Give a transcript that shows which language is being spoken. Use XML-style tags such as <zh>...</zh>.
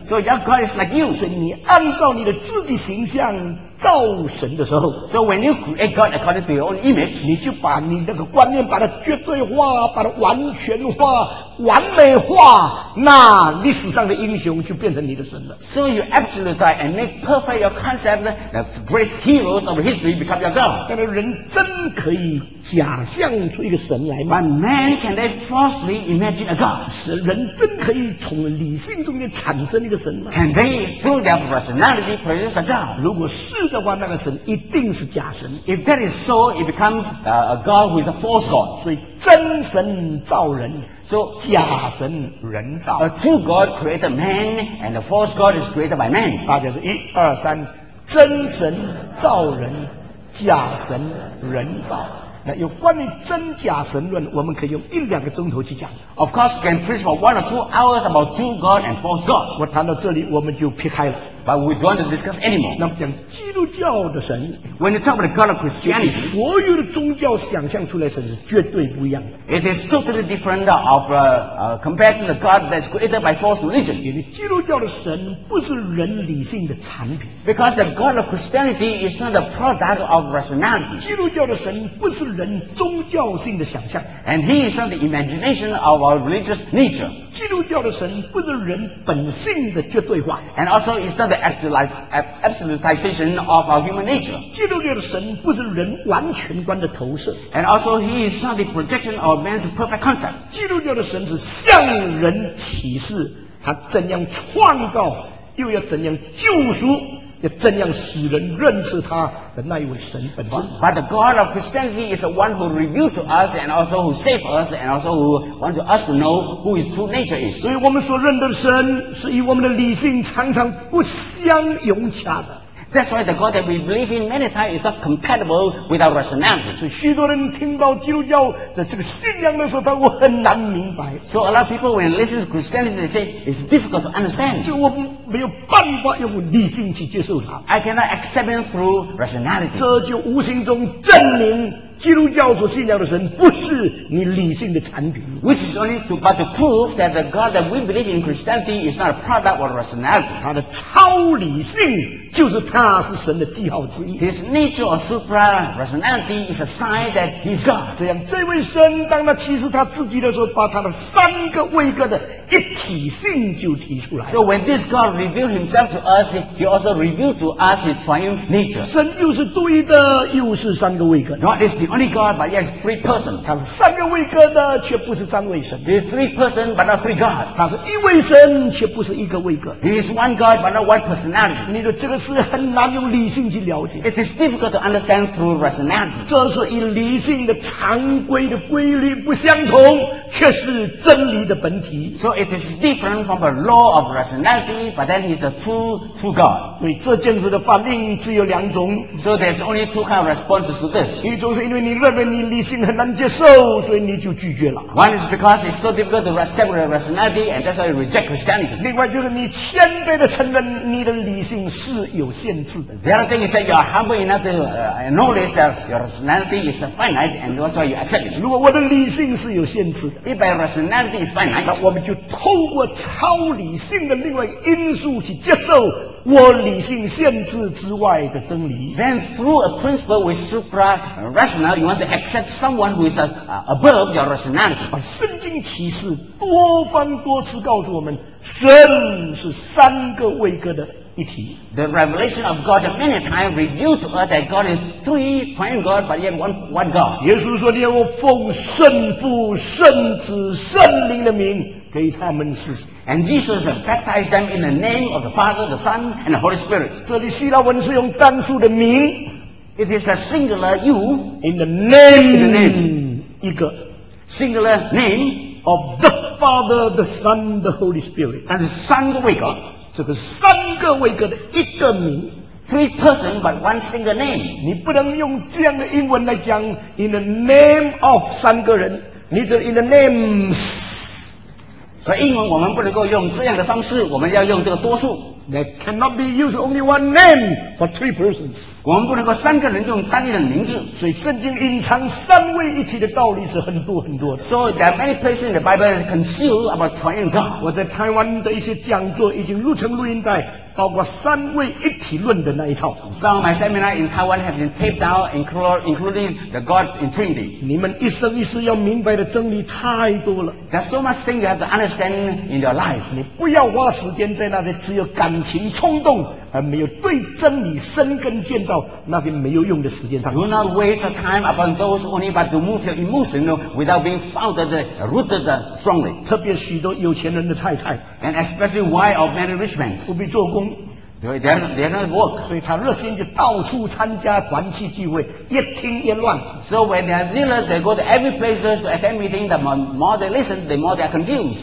<en>So your God is like you。</en> <zh>所以你按照你的自己形象造神的时候</zh> <en>，So when you create God according to your own image，</en> <zh>你就把你那个观念把它绝对化，把它完全化。完美化，那历史上的英雄就变成你的神了。</zh> <en>So you absolutize and make perfect your concept, the great heroes of history become your God.</en> <zh>但是人真可以假象出一个神来吗</zh> <en>？But man can they falsely imagine a God?</en> <zh>是人真可以从理性中间产生一个神吗</zh> <en>？Can they through their rationality produce a God?</en> <zh>如果是的话，那个神一定是假神。</zh> <en>If that is so, it becomes a God who is a false God.</en> <zh>所以真神造人。</zh> <en>So,</en> <zh>假神人造</zh> <en>A true God created man and a false God is created by man</en> <zh>大家说一二三真神造人假神人造那有关于真假神论我们可以用一两个钟头去讲</zh> <en>Of course, you can preach for one or two hours about true God and false God</en> <zh>我谈到这里我们就撇开了</zh> <en>But we don't want to discuss anymore</en> <zh>那么讲基督教的神</zh> <en>When you talk about the God of Christianity</en> <zh>所有的宗教想象出来神是绝对不一样的</zh> <en>It is totally different of compared to the God that is created by false religion</en> <zh>因为基督教的神不是人理性的产品</zh> <en>Because the God of Christianity is not a product of rationality</en> <zh>基督教的神不是人宗教性的想象</zh> <en>And he is not the imagination of our religious nature</en> <zh>基督教的神不是人本性的绝对化</zh> <en>And also is not the absolutization of our human nature</en> <zh>基督教的神不是人完全观的投射</zh> <en>And also he is not the projection of man's perfect concept</en> <zh>基督教的神是向人启示他怎样创造又要怎样救赎要怎样使人认识他的那一位神本身</zh> <en>But the God of Christianity is the one who revealed to us and also who saved us and also who wants us to know who his true nature is</en> <zh>所以我们所认的神是与我们的理性常常不相融洽的</zh> <en>That's why the God that we believe in many times is not compatible with our rationality</en> <zh>所以许多人听到基督教的这个信仰的时候我很难明白</zh> <en>So a lot of people when they listen to Christianity they say it's difficult to understand</en> <zh>就我们没有办法用理性去接受它</zh> <en>I cannot accept it through rationality</en> <zh>这就无形中证明基督教所信仰的神不是你理性的产品。</zh> <en>Which is only to, but to prove that the God that we believe in Christianity is not a product or a rationality.</en> <zh>他的超理性就是他是神的记号之一。</zh> <en>His nature or supra rationality is a sign that he's God.</en> <zh>这样，这位神当他启示他自己的时候，把他的三个位格的一体性就提出来。</zh> <en>So when this God revealed himself to us, he also revealed to us his triune nature.</en> <zh>神又是独一的，又是三个位格。</zh> <en>God is the only God, but yet three persons.</en> <zh>他是三个位格的，却不是三位神。</zh> <en>He is three persons, but not three God.</en> <zh>他是一位神，却不是一个位格。</zh> <en>He is one God, but not one personality.</en> <zh>你说这个是很难用理性去了解。</zh> <en>It is difficult to understand through rationality.</en> <zh>这是以理性的常规的规律不相同，却是真理的本体。</zh> <en>So it is different from a law of rationality, but then it's a true God.</en> <zh>对这件事的反应只有两种。</zh> <en>So there's only two kind of responses to this.</en> <zh>一种是因为你认为你理性很难接受，所以你就拒绝了。</zh> <en>One is because it's so difficult to accept rationality, and that's why you reject Christianity.</en> <zh>另外就是你谦卑的承认你的理性是有限制的。</zh> <en>The other thing is that you are humble enough to acknowledge that your rationality is finite, and that's why you accept it.</en> <zh>如果我的理性是有限制的，一般</zh> <en>rationality is finite.</en> <zh>那我们就透过超理性的另外一个因素去接受我理性限制之外的真理。</zh> <en>Then through a principle with supra rational, you want to accept someone who is above your rationality.</en> <zh>把圣经启示多番多次告诉我们，神是三个位格的一体。</zh> <en>The revelation of God many times revealed to us that God is three triune God, but yet one God.</en> <zh>耶稣说：“你要奉圣父、圣子、圣灵的名。” 给他们施洗。</zh> <en>And Jesus baptized them in the name of the Father, the Son, and the Holy Spirit.</en> <zh>这里希腊文是用单数的名。</zh> <en>It is a singular you. In the name.</en> <zh>一个。</zh> <en>Singular name. Of the Father, the Son, the Holy Spirit.</en> <zh>但是三个位格。这个三个位格的一个名。</zh> <en>Three persons, but one single name.</en> <zh>你不能用这样的英文来讲</zh> <en>in the name of</en> <zh>三个人。你只</zh> <en>in the names.</en> <zh>所以英文我们不能够用这样的方式，我们要用这个多数。</zh> <en>There cannot be used only one name for three persons.</en> <zh>我们不能够三个人用单一的名字。所以圣经隐藏三位一体的道理是很多很多的。</zh> <en>So there are many places in the Bible concealed about triune God.</en> <zh>我在台湾的一些讲座已经录成录音带，包括三位一体论的那一套。</zh> <en>Some of my seminars in Taiwan have been taped out, including the God in Trinity.</en> <zh>你们一生一世要明白的真理太多了。</zh> <en>There's so much thing you have to understand in your life.</en> <zh>你不要花时间在那些只有感情冲动而没有对真理生根建造那些没有用的时间上。</zh> <en>Do not waste time upon those only but to move your emotion without being founded, rooted strongly.</en> <zh>特别许多有钱人的太太。</zh> <en>And especially wife of many rich men.</en> <zh>不必做工。</zh> <en>They're not work.</en> <zh>所以他热心就到处参加团契聚会，一听一乱。</zh> <en>So when they are zealous, they go to every place to attend meeting. The more they listen, the more they are confused.</en>